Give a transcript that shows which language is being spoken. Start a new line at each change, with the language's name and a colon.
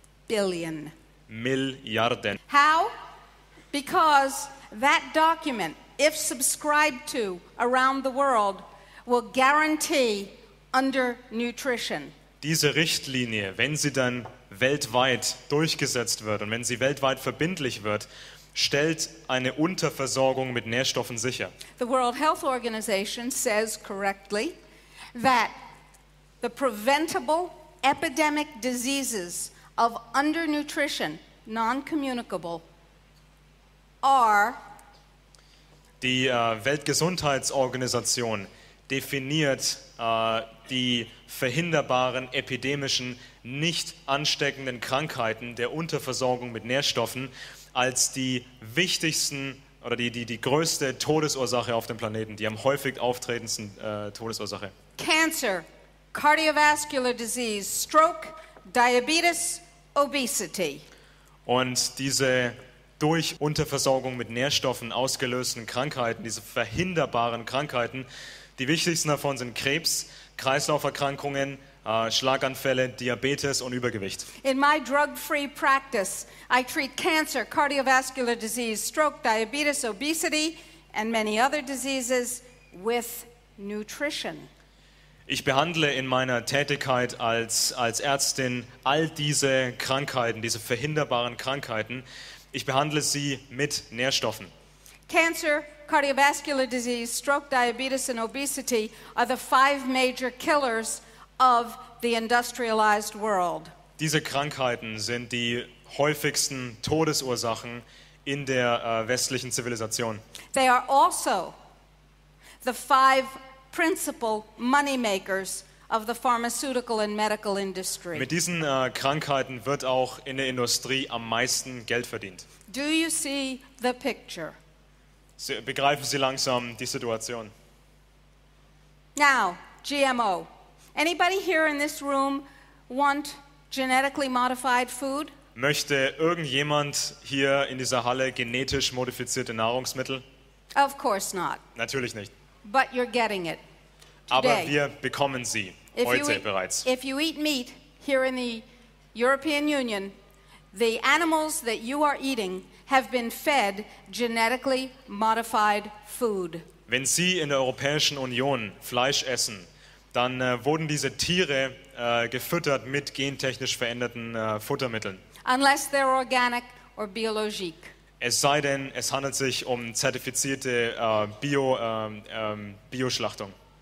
English: Billion.
German: Milliarden.
English: How? Because that document, if subscribed to around the world, will guarantee undernutrition.
German: Diese Richtlinie, wenn sie dann weltweit durchgesetzt wird und wenn sie weltweit verbindlich wird, stellt eine Unterversorgung mit Nährstoffen sicher.
English: The World Health Organization says correctly that the preventable epidemic diseases of undernutrition, non-communicable, are.
German: Die Weltgesundheitsorganisation definiert die verhinderbaren epidemischen, nicht ansteckenden Krankheiten der Unterversorgung mit Nährstoffen als die wichtigsten oder die größte Todesursache auf dem Planeten, die am häufig auftretendsten Todesursache.
English: Cancer, cardiovascular disease, stroke, diabetes, obesity.
German: Und diese durch Unterversorgung mit Nährstoffen ausgelösten Krankheiten, diese verhinderbaren Krankheiten, die wichtigsten davon sind Krebs, Kreislauferkrankungen, Schlaganfälle, Diabetes und Übergewicht.
English: In my drug-free practice, I treat cancer, cardiovascular disease, stroke, diabetes, obesity and many other diseases with nutrition.
German: Ich behandle in meiner Tätigkeit als Ärztin all diese Krankheiten, diese verhinderbaren Krankheiten. Ich behandle sie mit Nährstoffen.
English: Cancer, cardiovascular disease, stroke, diabetes and obesity are the 5 major killers of the industrialized world.
German: Diese Krankheiten sind die häufigsten Todesursachen in der westlichen Zivilisation.
English: They are also the 5 principal money makers of the pharmaceutical and medical industry.
German: Mit diesen Krankheiten wird auch in der Industrie am meisten Geld verdient.
English: Do you see the picture?
German: Begreifen Sie langsam die Situation.
English: Now, GMO. Anybody here in this room want genetically modified food?
German: Möchte irgendjemand hier in dieser Halle genetisch modifizierte Nahrungsmittel?
English: Of course not.
German: Natürlich nicht.
English: But you're getting it.
German: Aber wir bekommen sie heute bereits.
English: If you eat meat here in the European Union, the animals that you are eating have been fed genetically modified food.
German: Wenn Sie in der Europäischen Union Fleisch essen, dann wurden diese Tiere gefüttert mit gentechnisch veränderten Futtermitteln.
English: Unless they're organic or biologique.
German: Es sei denn, es handelt sich um zertifizierte Bio-Schlachtung.